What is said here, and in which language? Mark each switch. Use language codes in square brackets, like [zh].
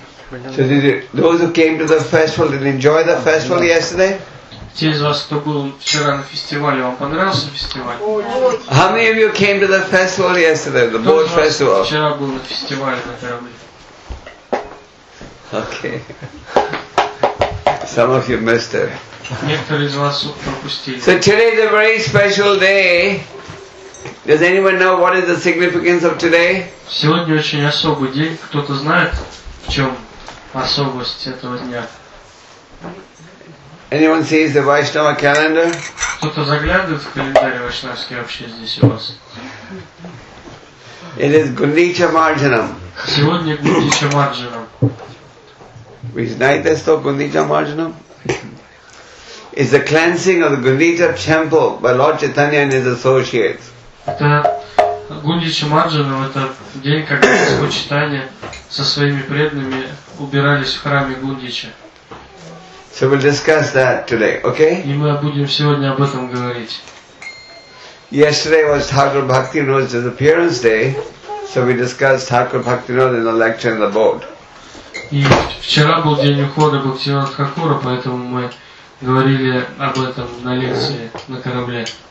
[en] So did you, those who came to the festival, did you enjoy the festival yesterday? [ru] Те из вас, кто был вчера на фестивале, вам понравился фестиваль? [en] How many of you came to the festival yesterday, the boat festival? [ru] Вчера был на фестивале на корабле. [en] Okay. Some of you missed it. [ru] Некоторые из вас пропустили. [en] So today is a very special day. Does anyone know what is the significance of today? [ru] Сегодня очень особый день. Кто-то знает, в чем особость этого дня? [en] Anyone sees the Vaishnava calendar? [ru] Кто-то заглядывает в календарь вайшнавский вообще здесь у вас? [en] It is Гундича Марджанам. [ru] Сегодня Гундича Марджанам. [en] Which night is called Гундича Марджанам? It's the cleansing of the Гундича temple by Lord Chaitanya and his associates. [ru] Это Гундича Марджанам, это день, когда Господь Чайтанья со своими преданными убирались в храме Гундича. [en] So we'll discuss that today, okay? [ru] И мы будем сегодня об этом говорить. [en] Yesterday was Thakur Bhaktivinoda's disappearance day, so we discussed Thakur Bhaktivinoda in the lecture in the boat. [ru] И вчера был день ухода Бхактивинода Тхакура, поэтому мы говорили об этом на лекции на корабле.